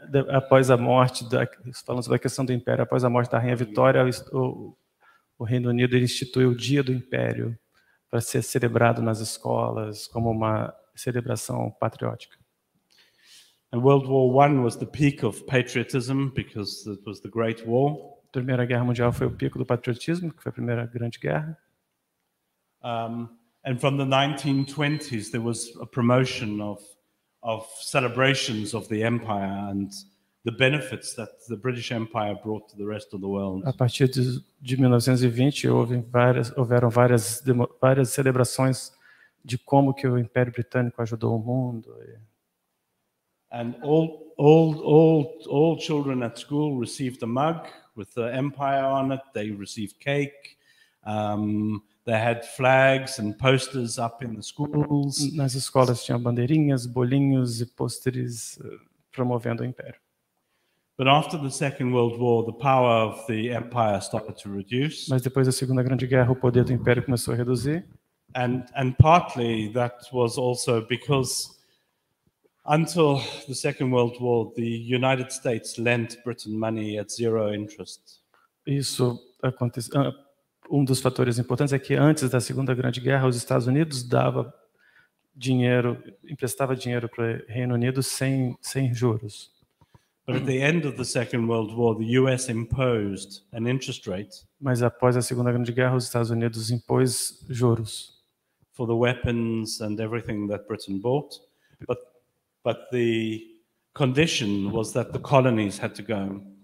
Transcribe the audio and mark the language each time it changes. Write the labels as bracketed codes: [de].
[pt] após a morte da, falando sobre a questão do império, após a morte da Rainha Vitória, o Reino Unido institui o Dia do Império para ser celebrado nas escolas como uma celebração patriótica. [en] And World War I was the peak of patriotism because it was the Great War. [pt] A Primeira Guerra Mundial foi o pico do patriotismo, que foi a Primeira Grande Guerra. [en] And from the 1920s there was a promotion of celebrations of the empire and the benefits that the British Empire brought to the rest of the world. [pt] A partir de 1920 houveram várias celebrações de como que o Império Britânico ajudou o mundo. [en] And all children at school received a mug with the empire on it. They received cake. They had flags and posters up in the schools. [pt] Nas escolas tinham bandeirinhas, bolinhos e pôsteres promovendo o império. [en] But after the Second World War, the power of the empire started to reduce. [pt] Mas depois da Segunda Grande Guerra, o poder do império começou a reduzir. [en] And partly that was also because until the Second World War, the United States lent Britain money at zero interest. [pt] Isso aconteceu. Um dos fatores importantes é que antes da Segunda Grande Guerra, os Estados Unidos dava dinheiro, emprestava dinheiro para o Reino Unido sem juros. [en] But at the end of the Second World War, the U.S. imposed an interest rate. [pt] Mas após a Segunda Grande Guerra, os Estados Unidos impôs juros. [en] For the weapons and everything that Britain bought, but the condition was that the colonies had to go.